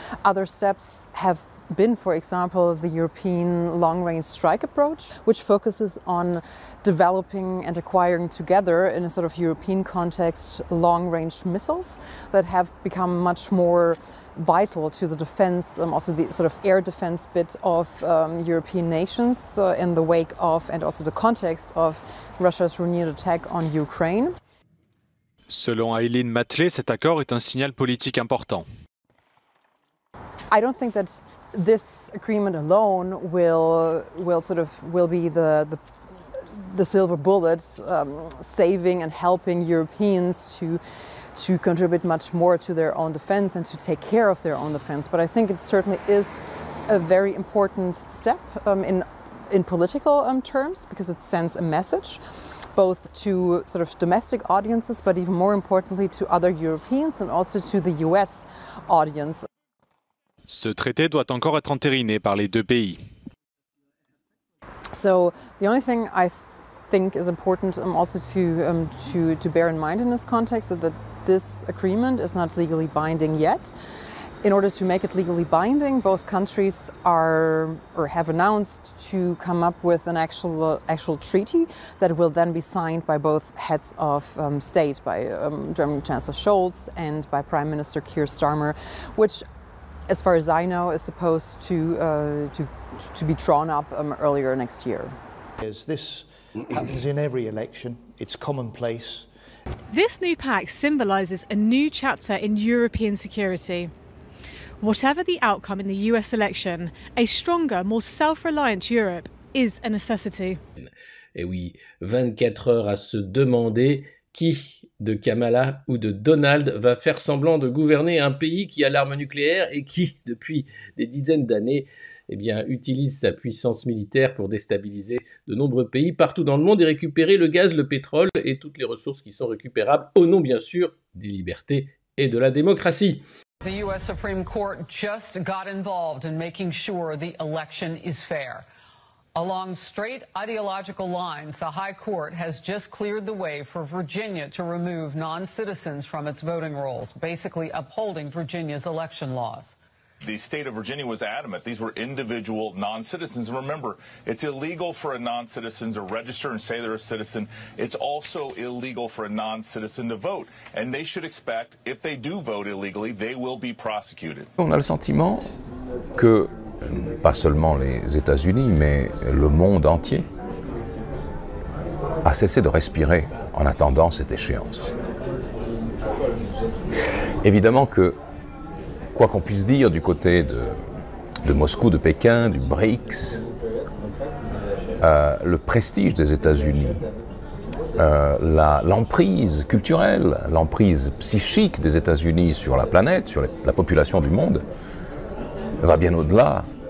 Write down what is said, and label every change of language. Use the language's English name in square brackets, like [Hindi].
[English] Other steps have been, for example, the European long-range strike approach, which focuses on developing and acquiring together in a sort of European context long-range missiles that have become much more vital to the defense, also the sort of air defense bit of European nations in the wake of and also the context of Russia's renewed attack on Ukraine. [French] Selon Aileen Matley, cet accord est un signal politique important. [English] I don't think that this agreement alone will be the silver bullet saving and helping Europeans to contribute much more to their own defense and to take care of their own defense. But I think it certainly is a very important step in political terms because it sends a message both to sort of domestic audiences, but even more importantly to other Europeans and also to the US audience. [French] Ce traité doit encore être entériné par les deux pays. [English] So the only thing I think is important also to bear in mind in this context is that this agreement is not legally binding yet. In order to make it legally binding, both countries have announced to come up with an actual treaty that will then be signed by both heads of state, by German Chancellor Scholz and by Prime Minister Keir Starmer, which, as far as I know, is supposed to be drawn up earlier next year. As this happens in every election, it's commonplace. This new pact symbolizes a new chapter in European security. Whatever the outcome in the US election, a stronger, more self-reliant Europe is a necessity. [French] Et oui, 24 heures à se demander qui, de Kamala ou de Donald, va faire semblant de gouverner un pays qui a l'arme nucléaire et qui, depuis des dizaines d'années, eh bien, utilise sa puissance militaire pour déstabiliser de nombreux pays partout dans le monde et récupérer le gaz, le pétrole et toutes les ressources qui sont récupérables au nom, bien sûr, des libertés et de la démocratie. [English] The U.S. Supreme Court just got involved in making sure the election is fair. Along straight ideological lines, the High Court has just cleared the way for Virginia to remove non-citizens from its voting rolls, basically upholding Virginia's election laws. The state of Virginia was adamant. These were individual non-citizens. And remember, it's illegal for a non-citizen to register and say they're a citizen. It's also illegal for a non-citizen to vote. And they should expect, if they do vote illegally, they will be prosecuted. [French] On a le sentiment que, pas seulement les États-Unis, mais le monde entier, a cessé de respirer en attendant cette échéance. Évidemment que, quoi qu'on puisse dire du côté de Moscou, de Pékin, du BRICS, le prestige des États-Unis, l'emprise culturelle, l'emprise psychique des États-Unis sur la planète, sur la population du monde, va bien au-delà